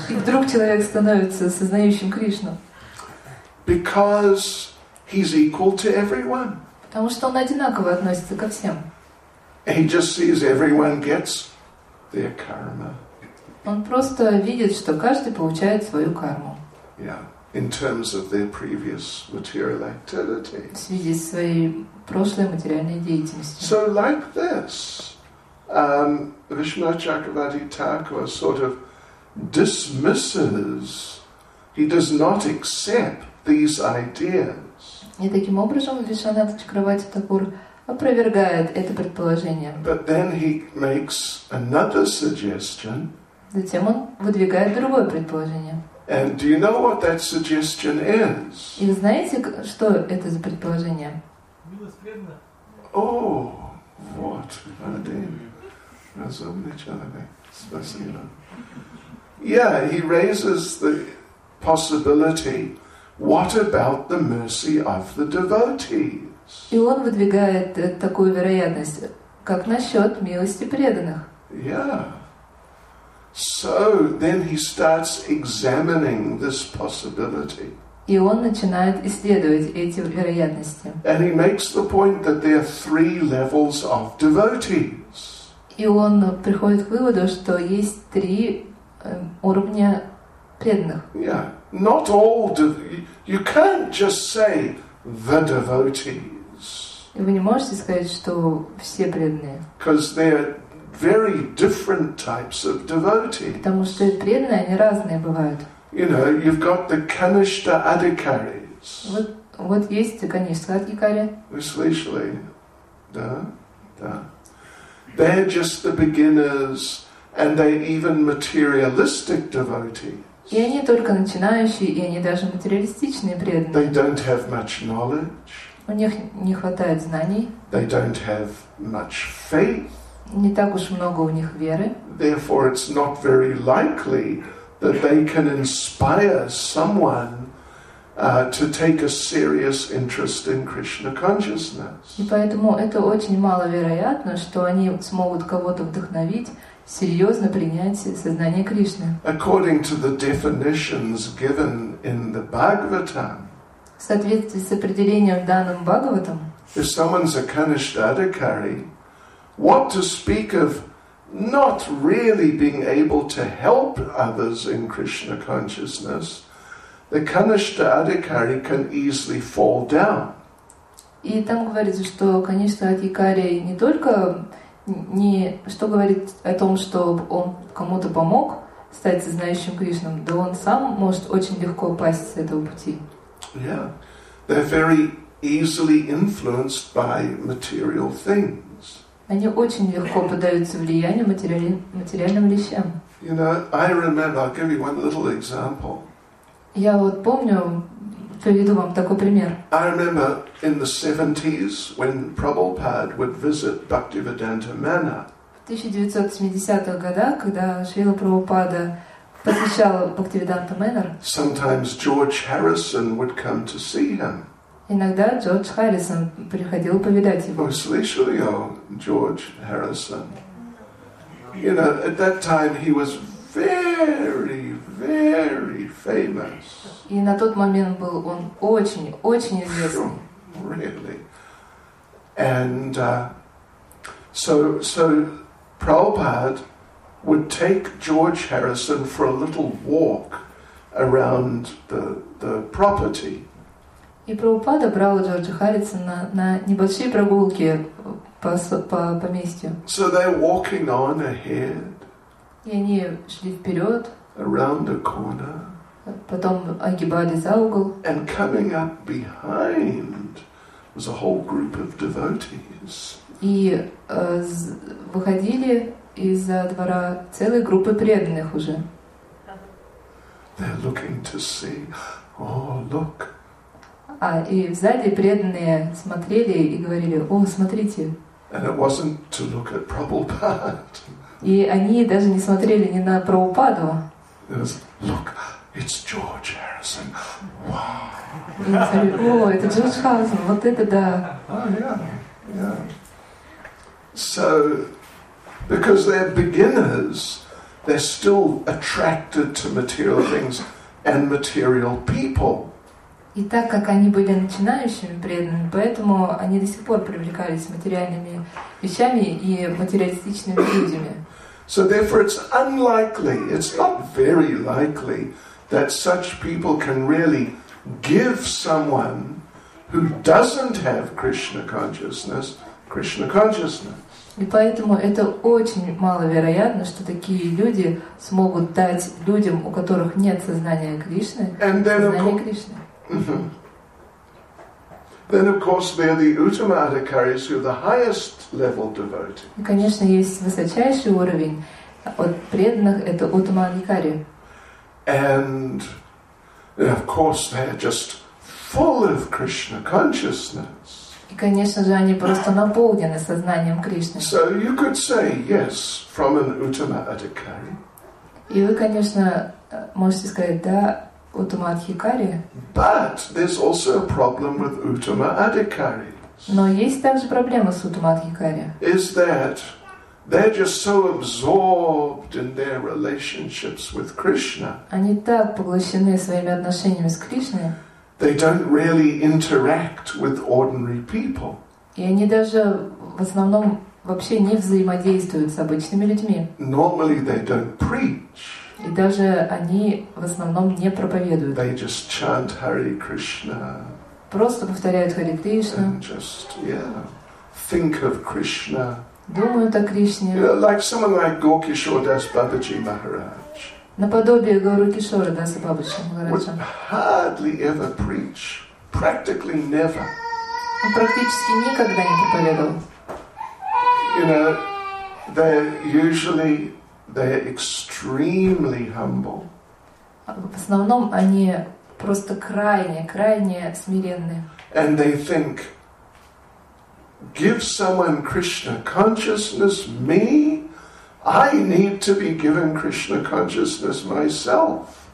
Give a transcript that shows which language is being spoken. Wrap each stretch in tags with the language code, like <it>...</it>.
<ru>И вдруг человек становится сознающим Кришну.</ru> <en>Because he's equal to everyone.</en> <ru>Потому что он одинаково относится ко всем.</ru> <en>He just sees everyone gets their karma.</en> <ru>Он просто видит, что каждый получает свою карму.</ru> <en>Yeah, in terms of their previous material activity.</en> <ru>В связи с своей прошлой материальной деятельностью.</ru> <en>So like this, Vishnu Chakravarti Thakur sort of dismisses, he does not accept these ideas.</en> <ru>И таким образом Вишванат Чакравати Такур опровергает это предположение.</ru> <en>But then he makes another suggestion.</en> <ru>Затем он выдвигает другое предположение.</ru> <en>And do you know what that suggestion is?</en> <ru>И знаете, что это за предположение? Милостыня. воскресно. О, вот, один разумный человек. Спасибо.</ru> <en>Yeah, he raises the possibility. What about the mercy of the devotees?</en> <ru>И он выдвигает такую вероятность, как насчет милости преданных.</ru> <en>Yeah. So then he starts examining this possibility.</en> <ru>И он начинает исследовать эти вероятности.</ru> <en>And he makes the point that there are three levels of devotees.</en> <ru>И он приходит к выводу, что есть три уровня преданных.</ru> <en>Yeah. Not all you can't just say the devotees.</en> <ru>Вы не можете сказать, что все преданные.</ru> <en>Because they are very different types of devotees.</en> <ru>Потому что преданные, они разные бывают.</ru> <en>You know, you've got the Kanishta Adhikaris.</en> <ru>Вот есть Kanishta Adhikari. Вы слышали? Да, да.</ru> <en>They're just the beginners, and they're even materialistic devotees.</en> <ru>И они только начинающие, и они даже материалистичные преданные.</ru> <en>They don't have much knowledge.</en> <ru>У них не хватает знаний.</ru> <en>They don't have much faith.</en> <ru>Не так уж много у них веры.</ru> <en>Therefore, it's not very likely that they can inspire someone to take a serious interest in Krishna consciousness.</en> <ru>И поэтому это очень маловероятно, что они смогут кого-то вдохновить серьезно принять сознание Кришны.</ru> <en>According to the definitions given in the Bhagavatam,</en> <ru>в соответствии с определением данным Бхагаватам,</ru> <en>if someone's a Kanishta Adhikari, what to speak of not really being able to help others in Krishna consciousness, the Kanishta Adhikari can easily fall down.</en> <ru>И там говорится, что Kanishta Adhikari не только не что говорит о том, что он кому-то помог стать сознающим Кришном, да он сам может очень легко упасть с этого пути.</ru> <en>Yeah. They're very easily influenced by material things.</en> <ru>Они очень легко поддаются влиянию материальным вещам.</ru> <en>You know, I remember, I'll give you one little example.</en> <ru>Я вот помню, приведу вам такой пример.</ru> <en>I remember in the 70s when Prabhupada would visit Bhaktivedanta Manor.</en> <ru>В 1970-х годах, когда Шрила Прабхупада посещал Бхактивиданта Манор,</ru> <en>sometimes George Harrison would come to see him.</en> <ru>Иногда Джордж Харрисон приходил повидать его. Вы слышали о Джордже Харрисоне?</ru> <en>You know, at that time he was very, very famous.</en> <ru>И на тот момент был он очень, очень известный.</ru> <en>Really. And so Prabhupada would take George Harrison for a little walk around the property.</en> <ru>И Прабхупада брал Джорджа Харрисона на небольшие прогулки по поместью.</ru> <en>So they're walking on ahead.</en> <ru>И они шли вперед.</ru> <en>Around a corner.</en> <ru>Потом огибали за угол.</ru> <en>And coming up behind was a whole group of devotees.</en> <ru>И выходили из-за двора целые группы преданных уже.</ru> <en>They're looking to see. Oh, look.</en> <ru>А и сзади преданные смотрели и говорили: «О, смотрите!»</ru> <en>And it wasn't to look at Prabhupada.</en> <ru>И они даже не смотрели ни на Прабхупаду.</ru> <en>Look, it's George Harrison. Wow.</en> <ru>И говорили: «О, это Джордж Харрисон, вот это да!»</ru> <en>So, because they're beginners, they're still attracted to material things and material people.</en> <ru>И так как они были начинающими преданными, поэтому они до сих пор привлекались материальными вещами и материалистичными людьми.</ru> <en>So therefore it's unlikely, it's not very likely that such people can really give someone who doesn't have Krishna consciousness, Krishna consciousness.</en> <ru>И поэтому это очень маловероятно, что такие люди смогут дать людям, у которых нет сознания Кришны, сознание Кришны.</ru> <en>Then, of course, there are the Uttama Adhikaris, who are the highest level devotees.</en> <ru>И, конечно, есть высочайший уровень от преданных — это Uttama Adhikari.</ru> <en>And, of course, they are just full of Krishna consciousness.</en> <ru>И, конечно же, они просто наполнены сознанием Кришны.</ru> <en>So you could say yes from an Uttama Adhikari.</en> <ru>И вы, конечно, можете сказать да Uttama Adhikari.</ru> <en>But there's also a problem with Uttama Adhikari.</en> <ru>Но есть также проблема с Uttama Adhikari.</ru> <en>Is that they're just so absorbed in their relationships with Krishna.</en> <ru>Они так поглощены своими отношениями с Кришной.</ru> <en>They don't really interact with ordinary people.</en> <ru>И они даже в основном вообще не взаимодействуют с обычными людьми.</ru> <en>Normally they don't preach.</en> <ru>И даже они в основном не проповедуют.</ru> <en>They just chant Hare Krishna.</en> <ru>Просто повторяют Харе Кришна.</ru> <en>And just, yeah, think of Krishna.</en> <ru>Думают о Кришне.</ru> <en>You know, like someone like Gorky Shordas Babaji Maharaj.</en> <ru>Наподобие Гору Кишора Даса Бабаджи</ru> <en>Махараджа. Hardly ever preach. Practically never.</en> <ru>Он практически никогда не проповедовал.</ru> <en>You know, they're extremely humble.</en> <ru>В основном они просто крайне смиренные.</ru> <en>And they think, give someone Krishna consciousness, me, I need to be given Krishna consciousness myself.</en>